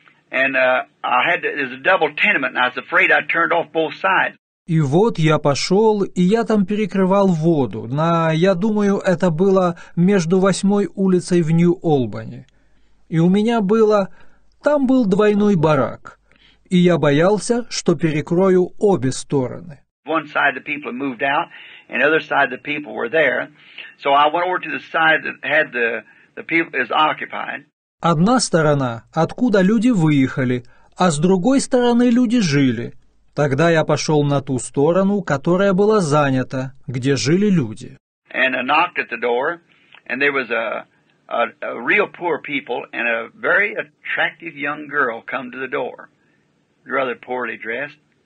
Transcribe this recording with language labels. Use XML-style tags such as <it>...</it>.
<en>And there's a double tenement, and I was afraid I turned off both sides.</en> <ru>И вот я пошел, и я там перекрывал воду. На, я думаю, это было между 8-й улицей в Нью-Олбани. И у меня было, там был двойной барак. И я боялся, что перекрою обе стороны.</ru> <en>One side the people moved out, and the other side the people were there. So I went over to the side that had the people is occupied.</en> <ru>Одна сторона, откуда люди выехали, а с другой стороны люди жили. Тогда я пошел на ту сторону, которая была занята, где жили люди.</ru> <en>And I knocked at the door, and there was a real poor people, and a very attractive young girl come to the door, rather poorly dressed.</en>